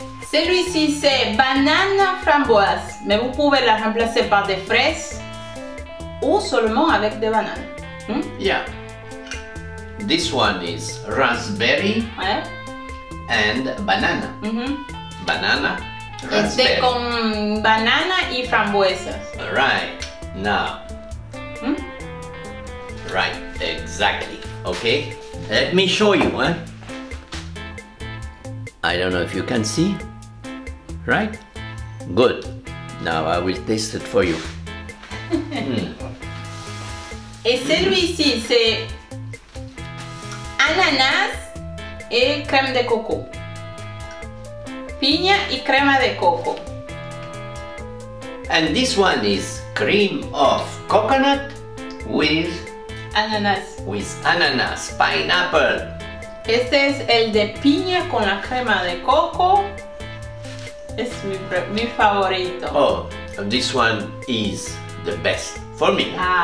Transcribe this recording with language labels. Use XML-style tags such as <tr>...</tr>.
<fr>Celui-ci c'est banane framboise, mais vous pouvez la remplacer par des fraises ou seulement avec des bananes.</fr> <en>Yeah. This one is raspberry and banana. Banana, raspberry.</en> <fr>C'est</fr> <es>con banana y frambuesas.</es> <en>Right. Now. Right. Exactly. Okay. Let me show you, eh? I don't know if you can see, right? Good. Now I will taste it for you.</en> <fr>Et celui-ci, c'est ananas et crème de coco.</fr> <es>Piña y crema de coco.</es> <en>And this one is cream of coconut with ananas. With ananas, pineapple.</en> <es>Este es el de piña con la crema de coco. Es mi favorito.</es> <en>Oh, this one is the best for me.</en>